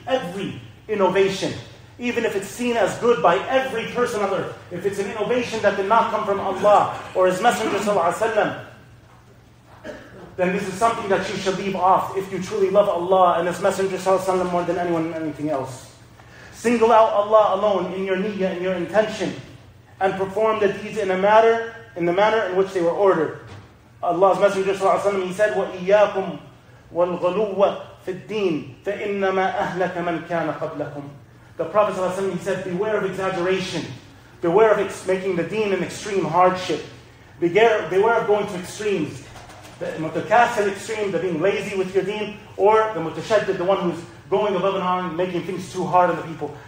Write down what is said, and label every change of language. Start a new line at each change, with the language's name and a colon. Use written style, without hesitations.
English: Every innovation, even if it's seen as good by every person on earth, if it's an innovation that did not come from Allah or His Messenger ﷺ, then this is something that you should leave off if you truly love Allah and His Messenger ﷺ more than anyone and anything else. Single out Allah alone in your niyyah, in your intention, and perform the deeds in the manner in which they were ordered. Allah's Messenger ﷺ, he said,
Arabic: وَإِيَّاكُمْ وَالْغَلُوَّ فِي الدِّينِ فَإِنَّمَا أَهْلَكَ مَنْ كَانَ قَبْلَكُمْ.
English: The Prophet ﷺ, he said, beware of exaggeration. Beware of making the deen an extreme hardship. Beware of going to extremes. The mutakasil extreme, the being lazy with your deen, or the mutashaddid, the one who's going above and on, making things too hard on the people.